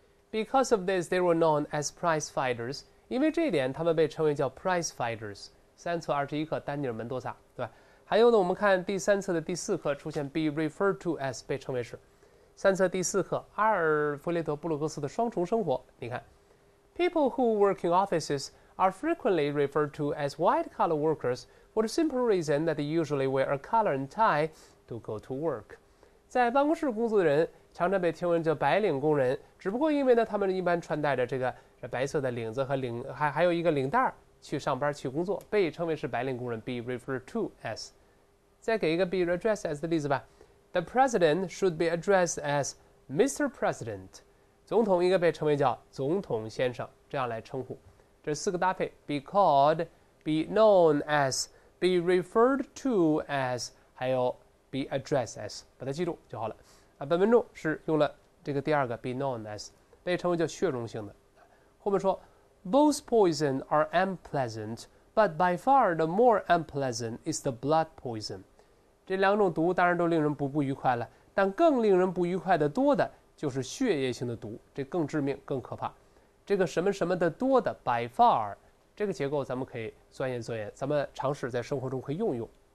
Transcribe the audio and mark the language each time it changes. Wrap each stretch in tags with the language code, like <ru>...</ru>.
<en>Because of this, they were known as prize fighters。</en> <zh>因为这一点，他们被称为叫 prize fighters。三册21课，丹尼尔·门多萨，对吧？还有呢，我们看第三册的第4课出现 be referred to as 被称为是。三册第4课，阿尔弗雷德·布鲁克斯的双重生活。你看</zh> <en>，People who work in offices are frequently referred to as white-collar workers for the simple reason that they usually wear a collar and tie to go to work。</en> <zh>在办公室工作的人常常被称为叫白领工人，只不过因为呢，他们一般穿戴着这个白色的领子和领，还有一个领带去上班去工作，被称为是白领工人 ，be referred to as。再给一个 be addressed as 的例子吧。</zh> <en>The president should be addressed as Mr. President.</en> <zh>总统应该被称为叫总统先生，这样来称呼。这四个搭配 ,be called, be known as, be referred to as, 还有 be addressed as, 把它记住就好了。本文中是用了这个第二个 be known as, 被称为叫血溶性的。后面说</zh> <en>,both poison are unpleasant, but by far the more unpleasant is the blood poison.</en> <zh>这两种毒当然都令人不愉快了，但更令人不愉快的多的就是血液性的毒，这更致命更可怕。这个什么什么的多的 by far， 这个结构咱们可以钻研钻研，咱们尝试在生活中可以用用。</zh>